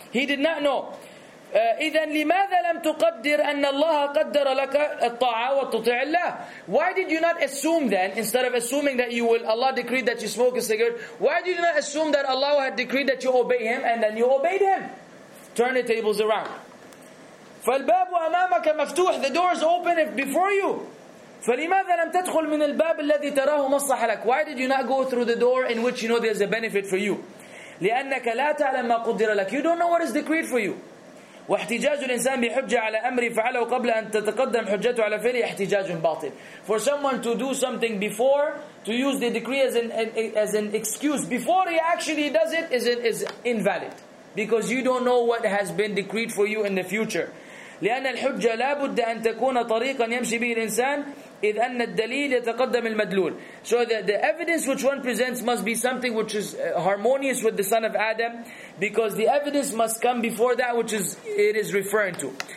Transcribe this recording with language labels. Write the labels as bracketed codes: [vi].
[en] He did not know. [ar] إذن لماذا لم تقدر أن الله قدر لك الطاعة وتطيع الله. [en] Why did you not assume then, instead of assuming that you will, Allah decreed that you smoke a cigarette, why did you not assume that Allah had decreed that you obey Him and then you obeyed Him? Turn the tables around. [ar] فالباب أمامك مفتوح. [en] The door is open before you. [ar] فلماذا لم تدخل من الباب الذي تراه مصلحة لك. [en] Why did you not go through the door in which you know there is a benefit for you? [ar] لأنك لا تعلم ما قدر لك. [en] You don't know what is decreed for you. [ar] واحتجاج الإنسان بحجة على أمره فعله قبل أن تتقدم حجته على فعله احتجاج باطل. [en] For someone to do something before, to use the decree as an excuse before he actually does it is invalid, because you don't know what has been decreed for you in the future. [ar] لأن الحجة لابد أن تكون طريقا يمشي به الإنسان إذ أن الدليل يتقدم المدلول. [en] So the evidence which one presents must be something which is harmonious with the son of Adam, because the evidence must come before that which is it is referring to.